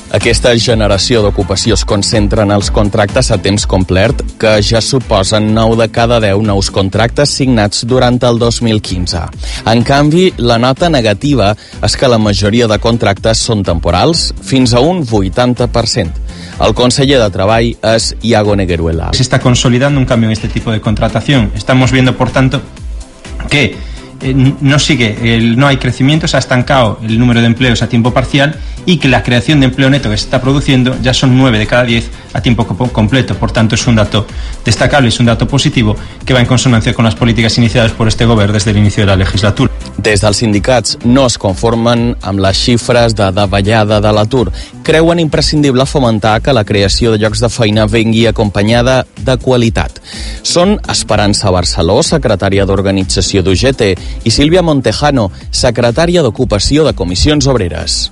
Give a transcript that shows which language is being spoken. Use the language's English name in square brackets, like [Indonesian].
[Catalan] Aquesta generació d'ocupació es concentra en els contractes a temps complet, que ja suposen 9 de cada 10 nous contractes signats durant el 2015. En canvi, la nota negativa és que la majoria de contractes són temporals, fins a un 80%. El conseller de Treball és Iago Negueruela. [Spanish] Se está consolidando un cambio en este tipo de contratación. Estamos viendo, por tanto, que no sigue, no hay crecimiento, se ha estancado el número de empleos a tiempo parcial y que la creación de empleo neto que se está produciendo ya son 9 de cada 10 a tiempo completo. Por tanto, es un dato destacable, es un dato positivo que va en consonancia con las políticas iniciadas por este gobierno desde el inicio de la legislatura. [Catalan] Des dels sindicats no es conformen amb les xifres de davallada de l'atur. Creuen imprescindible fomentar que la creació de llocs de feina vengui acompanyada de qualitat. Són Esperança Barceló, secretària d'Organització d'UGT, i Sílvia Montejano, secretària d'Ocupació de Comissions Obreres.